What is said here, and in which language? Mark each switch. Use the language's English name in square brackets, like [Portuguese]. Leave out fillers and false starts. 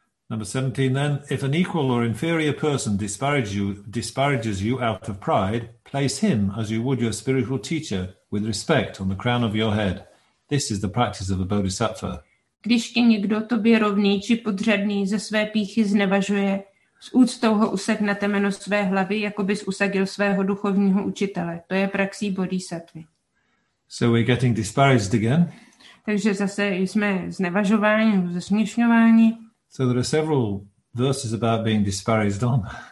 [English] Number 17 then, if an equal or inferior person disparages you out of pride, place him as you would your spiritual teacher with respect on the crown of your head. This is the practice of a bodhisattva. [Czech] Když tě někdo tobě rovný či podřadný ze své píchy znevažuje, s úctou ho usek na temeno své hlavy, jako bys usadil svého duchovního učitele. To je praxí bodhisattvy. [English] So we're getting disparaged again. [Czech] Takže zase jsme znevažováni, zesměšňováni. [English] So there are several verses about being disparaged on.